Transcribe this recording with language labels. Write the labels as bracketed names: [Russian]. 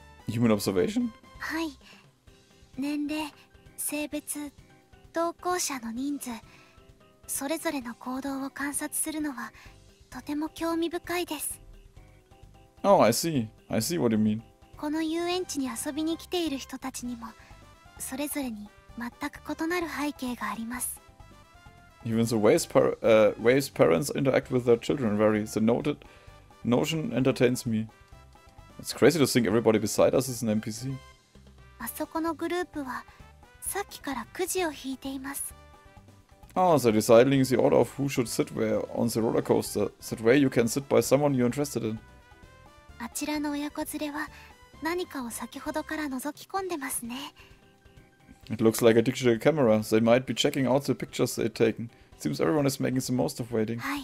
[English] Human observation? [Japanese] はい。年齢、性別、同行者の人数。それぞれの行動を観察するのはとても興味深いです。 [English] Oh, I see. I see what you mean. [Japanese] この遊園地に遊びに来ている人たちにもそれぞれに全く異なる背景があります。 [English] Even the ways ways parents interact with their children varies. The noted notion entertains me. It's crazy to think everybody beside us is an NPC. [Japanese] あそこのグループはさっきからくじを引いています。 [English] Oh, they're deciding the order of who should sit where on the roller coaster. That way you can sit by someone you're interested in. [Japanese] あちらの親子連れは何かを先ほどから覗き込んでますね。 [English] It looks like a digital camera. They might be checking out the pictures they've taken. Seems everyone is making the most of waiting.